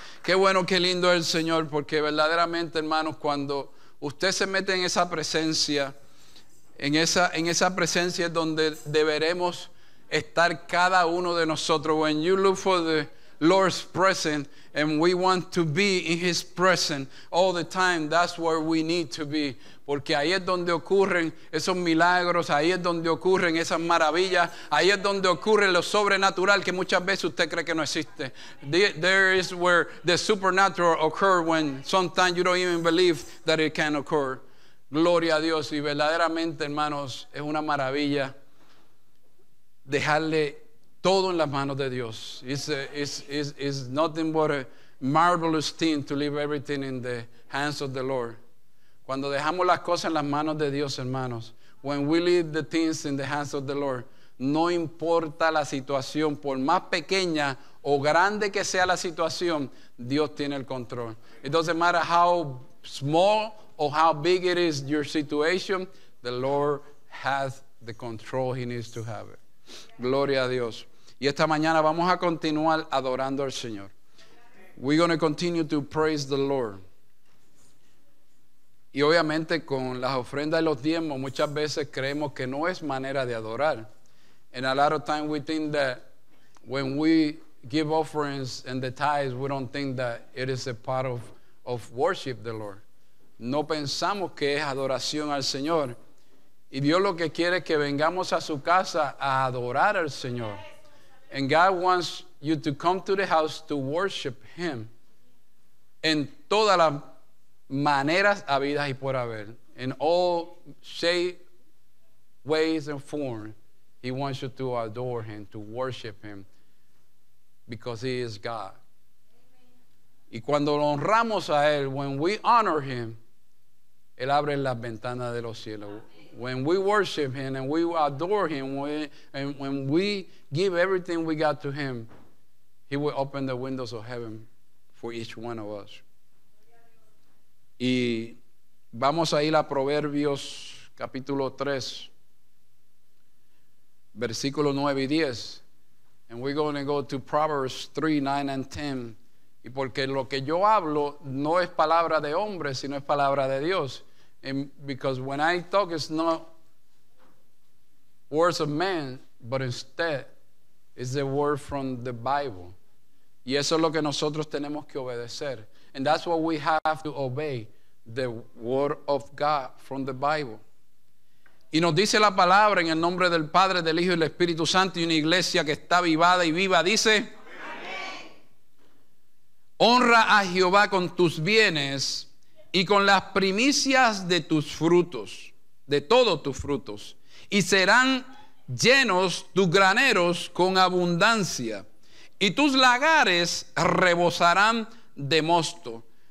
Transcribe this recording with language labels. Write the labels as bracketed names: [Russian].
[Spanish] Qué bueno, qué lindo es el Señor, porque verdaderamente, hermanos, cuando usted se mete en esa presencia, en esa presencia es donde deberemos estar cada uno de nosotros. [English] When you look for the Lord's presence and we want to be in His presence all the time, that's where we need to be. [Spanish] Porque ahí es donde ocurren esos milagros, ahí es donde ocurren esas maravillas, ahí es donde ocurre lo sobrenatural que muchas veces usted cree que no existe. [English] There is where the supernatural occurs when sometimes you don't even believe that it can occur. [Spanish] Gloria a Dios. Y verdaderamente, hermanos, es una maravilla dejarle todo en las manos de Dios. [English] It's nothing but a marvelous thing to leave everything in the hands of the Lord. [Spanish] Cuando dejamos las cosas en las manos de Dios, hermanos, [English] when we leave the things in the hands of the Lord, [Spanish] no importa la situación, por más pequeña o grande que sea la situación, Dios tiene el control. [English] It doesn't matter how small or how big it is your situation, the Lord has the control he needs to have it. [Spanish] Gloria a Dios. Y esta mañana vamos a continuar adorando al Señor. [English] We're going to continue to praise the Lord. [Spanish] Y obviamente con las ofrendas y los diezmos muchas veces creemos que no es manera de adorar. [English] And a lot of times we think that when we give offerings and the tithes, we don't think that it is a part of worship the Lord. [Spanish] No pensamos que es adoración al Señor. Y Dios lo que quiere es que vengamos a su casa a adorar al Señor. [English] And God wants you to come to the house to worship Him. [Spanish] En toda la maneras habidas y por haber, [English] in all shape, ways and form, he wants you to adore him, to worship him, because he is God. [Spanish] Amen. Y cuando lo honramos a él, [English] when we honor him, [Spanish] Él abre las ventanas de los cielos. [English] When we worship him and we adore him, when we give everything we got to him, he will open the windows of heaven for each one of us. [Spanish] Y vamos a ir a Proverbios capítulo 3, versículo 9 y 10. [English] And we're going to go to Proverbs 3, 9 and 10. [Spanish] Y porque lo que yo hablo no es palabra de hombre, sino es palabra de Dios. [English] And because when I talk, it's not words of man, but instead, it's the word from the Bible. [Spanish] Y eso es lo que nosotros tenemos que obedecer. [English] And that's what we have to obey, the word of God from the Bible. [Spanish] Y nos dice la palabra en el nombre del Padre, del Hijo y del Espíritu Santo, y una iglesia que está avivada y viva, dice: Amén. Honra a Jehová con tus bienes y con las primicias de tus frutos, de todos tus frutos, y serán llenos tus graneros con abundancia, y tus lagares rebosarán de mosto.